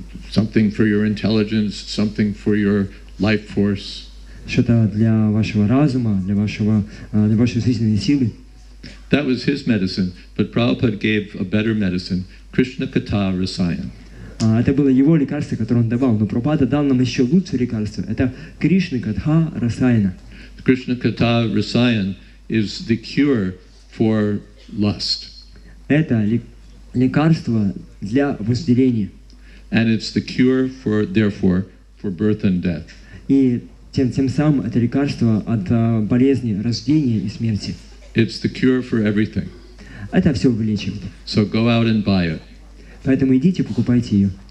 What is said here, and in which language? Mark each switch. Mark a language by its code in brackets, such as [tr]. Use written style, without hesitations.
[en] Something for your intelligence, something for your life force. [ru] Что-то для вашего разума, для вашей жизненной силы. [en] That was his medicine, but Prabhupada gave a better medicine, Krishna Katha Rasayan. [ru] Это было его лекарство, которое он давал, но Прабхупада дал нам еще лучшее лекарство. Это Кришна Катха Расайана. [en] Кришна Катха Расайан is the cure for lust. [ru] Это лекарство для вожделения. [en] And it's the cure for, therefore, for birth and death. [ru] И тем самым это лекарство от болезни, рождения и смерти. [en] It's the cure for everything. [ru] Это все вылечивает. [en] So go out and buy it. [ru] Поэтому идите, покупайте ее.